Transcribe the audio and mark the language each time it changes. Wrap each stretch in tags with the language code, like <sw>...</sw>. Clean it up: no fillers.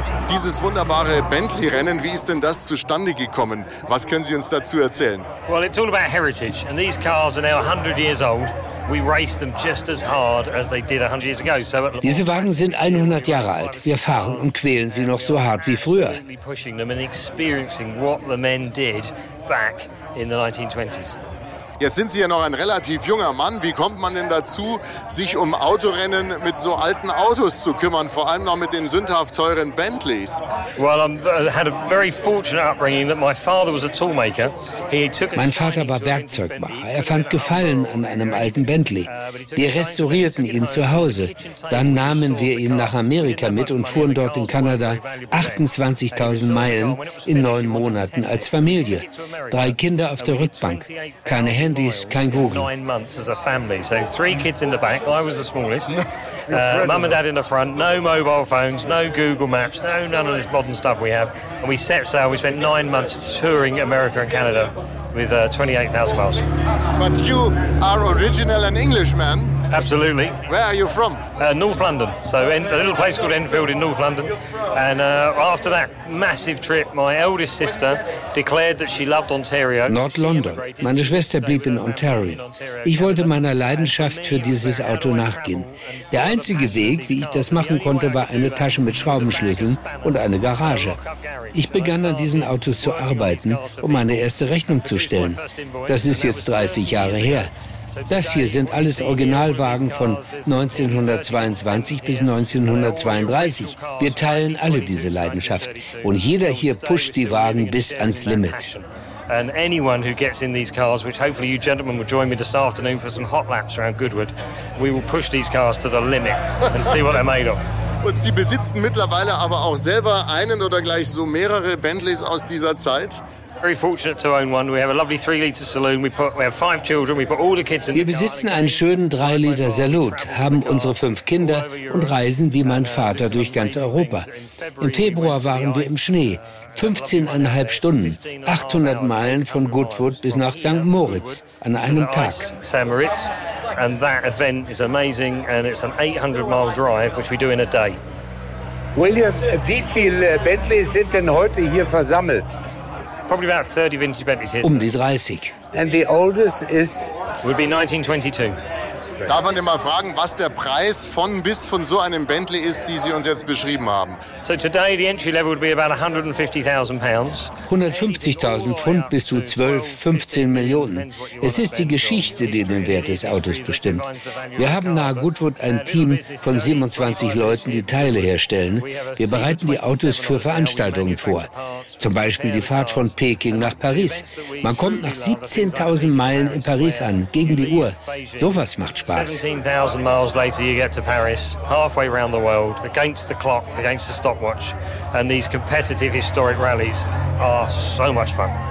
<de>Dieses wunderbare Bentley-Rennen, wie ist denn das zustande gekommen? Was können Sie uns dazu erzählen?</de> <en>Well, it's all about heritage. And these cars are now 100 years old. We race them just as hard as they did 100 years ago. So</en> <de>diese Wagen sind 100 Jahre alt. Wir fahren und quälen sie noch so hart wie früher.</de> <en>Pushing them and experiencing what the men did back in the 1920s.</en> <de>Jetzt sind Sie ja noch ein relativ junger Mann. Wie kommt man denn dazu, sich um Autorennen mit so alten Autos zu kümmern, vor allem noch mit den sündhaft teuren Bentleys?</de> <en>Well, I had a very fortunate upbringing that my father was a toolmaker.</en> <de>Mein Vater war Werkzeugmacher. Er fand Gefallen an einem alten Bentley. Wir restaurierten ihn zu Hause. Dann nahmen wir ihn nach Amerika mit und fuhren dort in Kanada 28.000 Meilen in 9 Monaten als Familie. 3 Kinder auf der Rückbank. Keine Handys, kein Google.</de> <en>9 months as a family, so 3 kids in the back. I was the smallest. Mum and dad in the front. No mobile phones, no Google Maps, no none of this modern stuff we have. And we set sail. We spent 9 months touring America and Canada with 28,000 miles. But you are original an Englishman. Absolutely. Where are you from? North London. So a little place called Enfield in North London. And after that massive trip, my eldest sister declared that she loved Ontario. Not London.</en> <de>Meine Schwester blieb in Ontario. Ich wollte meiner Leidenschaft für dieses Auto nachgehen. Der einzige Weg, wie ich das machen konnte, war eine Tasche mit Schraubenschlüsseln und eine Garage. Ich begann an diesen Autos zu arbeiten, um meine erste Rechnung zu stellen. Das ist jetzt 30 Jahre her. Das hier sind alles Originalwagen von 1922 bis 1932. Wir teilen alle diese Leidenschaft. Und jeder hier pusht die Wagen bis ans Limit.</de> <en>And anyone who gets in these cars, which hopefully you gentlemen will join me this afternoon for some hot laps around Goodwood, we will push these cars to the limit and see what they're made of.</en> <de>Und Sie besitzen mittlerweile aber auch selber einen oder gleich so mehrere Bentleys aus dieser Zeit.</de> <en>Very fortunate to own one. We have a lovely 3-liter saloon. We have 5 children. We put all the kids in.</en> <de>Wir besitzen einen schönen 3-liter Salut, haben unsere 5 Kinder und reisen wie mein Vater durch ganz Europa. Im Februar waren wir im Schnee. 15,5 Stunden, 800 Meilen von Goodwood bis nach St. Moritz an einem Tag.</de> <en>St. Moritz, and that event is amazing, and it's an 800-mile drive, which we do in a day.</en> <de>William, wie viele Bentleys sind denn heute hier versammelt?</de> <en>Probably about 30 vintage Bentleys here.</en> <de>Um die 30.</de> <en>And the oldest is... would be 1922.</en> <de>Darf man denn mal fragen, was der Preis von bis von so einem Bentley ist, die Sie uns jetzt beschrieben haben?</de> <en>So today the entry level would be about 150,000 pounds.</en> <de>150.000 Pfund bis zu 12, 15 Millionen. Es ist die Geschichte, die den Wert des Autos bestimmt. Wir haben nahe Goodwood ein Team von 27 Leuten, die Teile herstellen. Wir bereiten die Autos für Veranstaltungen vor. Zum Beispiel die Fahrt von Peking nach Paris. Man kommt nach 17.000 Meilen in Paris an, gegen die Uhr. Sowas macht</de> <en>17,000 miles later, you get to Paris, halfway around the world, against the clock, against the stopwatch. And these competitive historic rallies are so much fun.</en>